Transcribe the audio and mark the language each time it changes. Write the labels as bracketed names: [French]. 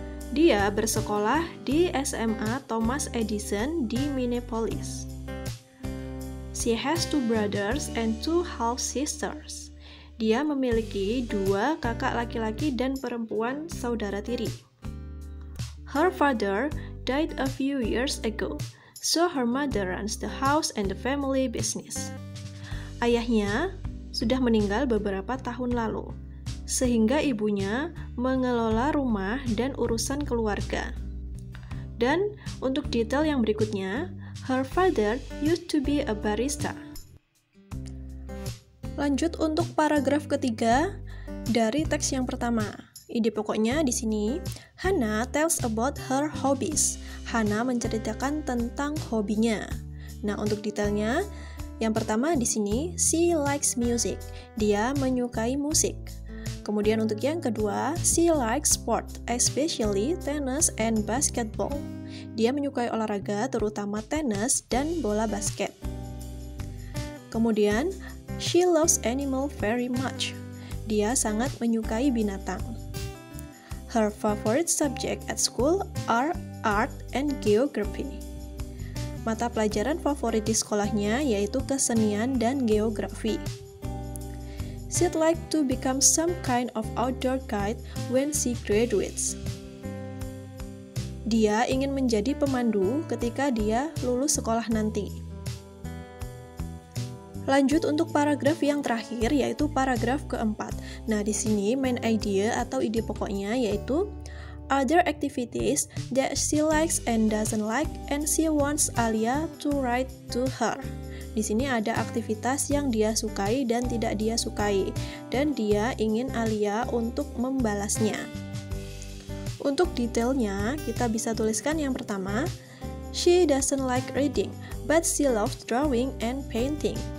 [Indonesian] Dia bersekolah di SMA Thomas Edison di Minneapolis. [English] She has 2 brothers and 2 half-sisters. [Indonesian] Dia memiliki 2 kakak laki-laki dan perempuan saudara tiri. [English] Her father died a few years ago. So her mother runs the house and the family business. [Indonesian] Ayahnya sudah meninggal beberapa tahun lalu, sehingga ibunya mengelola rumah dan urusan keluarga. Dan untuk detail yang berikutnya, [English] her father used to be a barista. [Indonesian] Lanjut untuk paragraf ketiga dari teks yang pertama. Ide pokoknya di sini, [English] Hannah tells about her hobbies. [Indonesian] Hannah menceritakan tentang hobinya. Nah, untuk detailnya, yang pertama di sini, [English] she likes music. [Indonesian] Dia menyukai musik. Kemudian untuk yang kedua, [English] she likes sport, especially tennis and basketball. [Indonesian] Dia menyukai olahraga, terutama tenis dan bola basket. Kemudian, [English] she loves animal very much. [Indonesian] Dia sangat menyukai binatang. [English] Her favorite subject at school are art and geography. [Indonesian] Mata pelajaran favorit di sekolahnya yaitu kesenian dan geografi. [English] She'd like to become some kind of outdoor guide when she graduates. [Indonesian] Dia ingin menjadi pemandu ketika dia lulus sekolah nanti. Lanjut untuk paragraf yang terakhir, yaitu paragraf keempat. Nah, di sini main idea atau ide pokoknya yaitu [English] other activities that she likes and doesn't like and she wants Alia to write to her. [Indonesian] Di sini ada aktivitas yang dia sukai dan tidak dia sukai, dan dia ingin Alia untuk membalasnya. Untuk detailnya, kita bisa tuliskan yang pertama, [English] she doesn't like reading, but she loves drawing and painting.